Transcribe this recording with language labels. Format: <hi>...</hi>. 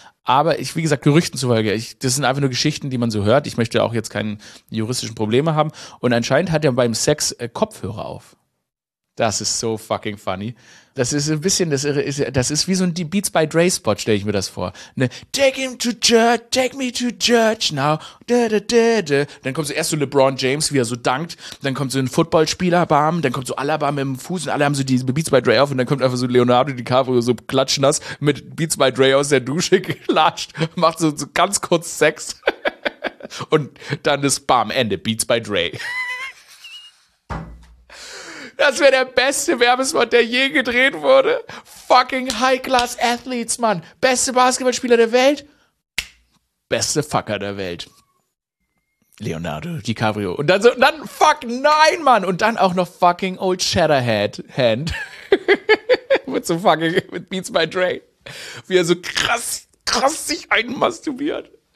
<de>Aber ich, wie gesagt, Gerüchten zufolge, das sind einfach nur Geschichten, die man so hört. Ich möchte auch jetzt keine juristischen Probleme haben und anscheinend hat er beim Sex Kopfhörer auf. Das ist</de> <en>so fucking funny.</en> <de>Das ist ein bisschen, das ist wie so ein Beats by Dre Spot, stelle ich mir das vor. Ne?</de> <en>Take him to church, take me to church now. Da, da, da, da.</en> <de>Dann kommt so erst so LeBron James, wie er so dankt. Dann kommt so ein Footballspieler, bam. Dann kommt so Alaba mit dem Fuß und alle haben so die Beats by Dre auf. Und dann kommt einfach so Leonardo DiCaprio so klatschnass mit Beats by Dre aus der Dusche geklatscht. Macht so ganz kurz Sex. Und dann ist bam, Ende, Beats by Dre. Das wäre der beste Werbespot, der je gedreht wurde.</de> <en>Fucking high-class athletes,</en> <de>Mann. Beste Basketballspieler der Welt. Beste Fucker der Welt. Leonardo DiCaprio. Und dann so, dann fuck nein, Mann. Und dann auch noch fucking old Shatterhead Hand. Mit so fucking, mit Beats by Dre. Wie er so krass, krass sich einmasturbiert.</de>